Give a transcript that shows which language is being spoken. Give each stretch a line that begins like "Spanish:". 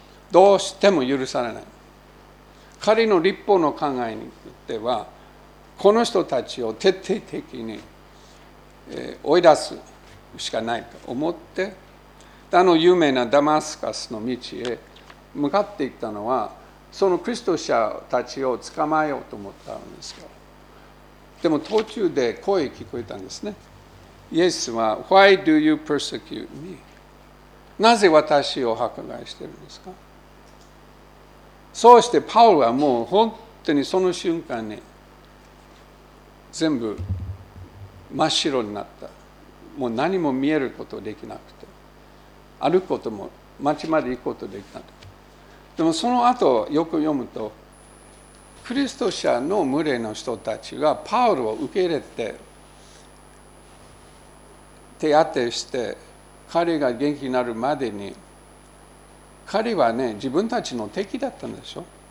Japanese: どうしても許されない。彼の立法の考えによってはこの人たちを徹底的に追い出すしかないと思って、有名なダマスカスの道へ向かっていったのは、そのキリスト者たちを捕まえようと思ったんですよ。でも途中で声聞こえたんですね。イエスは
English: Why do you persecute me?
Japanese: なぜ私を迫害してるんですか。そうしてパウロはもう本当にその瞬間に全部真っ白になった。もう何も見えることできなくて、歩くことも街まで行くことできなくて、でもその後よく読むとクリスト者の群れの人たちがパウルを受け入れて手当てして、彼が元気になるまでに、彼はね自分たちの敵だったんでしょ。